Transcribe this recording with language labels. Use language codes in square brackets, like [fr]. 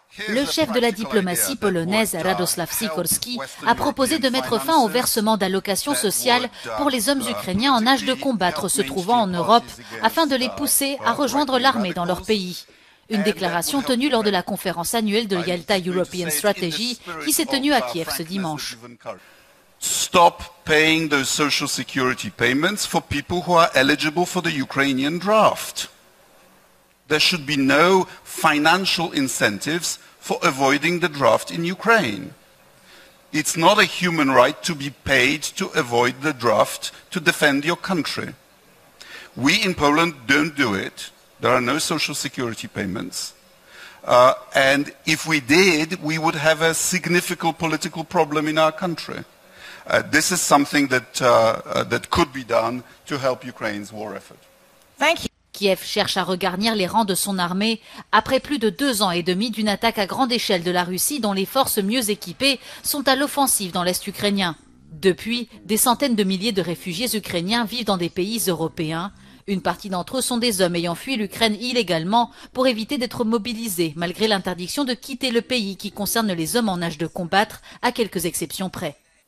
[fr] Le chef de la diplomatie polonaise, Radoslav Sikorski, a proposé de mettre fin au versement d'allocations sociales pour les hommes ukrainiens en âge de combattre se trouvant en Europe, afin de les pousser à rejoindre l'armée dans leur pays. Une déclaration tenue lors de la conférence annuelle de Yalta European Strategy, qui s'est tenue à Kiev ce dimanche. [en] Stop paying the social security payments for people who are eligible for the Ukrainian draft. There should be no financial incentives for avoiding the draft in Ukraine. It's not a human right to be paid to avoid the draft to defend your country. We in Poland don't do it. There are no social security payments. And if we did, we would have a significant political problem in our country. This is something that, that could be done to help Ukraine's war effort. Thank you. [fr] Kiev cherche à regarnir les rangs de son armée après plus de 2 ans et demi d'une attaque à grande échelle de la Russie dont les forces mieux équipées sont à l'offensive dans l'Est ukrainien. Depuis, des centaines de milliers de réfugiés ukrainiens vivent dans des pays européens. Une partie d'entre eux sont des hommes ayant fui l'Ukraine illégalement pour éviter d'être mobilisés malgré l'interdiction de quitter le pays qui concerne les hommes en âge de combattre, à quelques exceptions près.